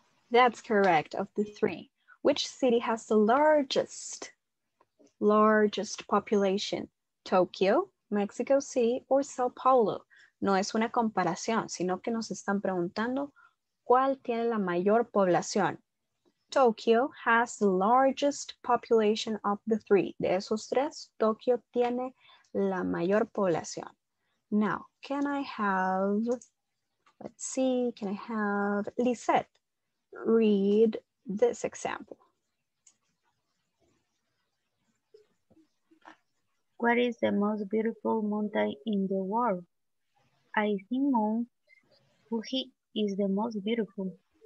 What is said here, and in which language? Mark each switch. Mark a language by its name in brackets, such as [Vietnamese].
[English] That's correct, of the three. Which city has the largest population? Tokyo, Mexico City, or Sao Paulo? [Spanish] No es una comparación, sino que nos están preguntando cuál tiene la mayor población. [English] Tokyo has the largest population of the three. [Spanish] De esos tres, Tokyo tiene la mayor población. [English] Now, can I have... Let's see, can I have Lisette read this example? What is the most beautiful mountain in the world? I think Mount Fuji is the most beautiful.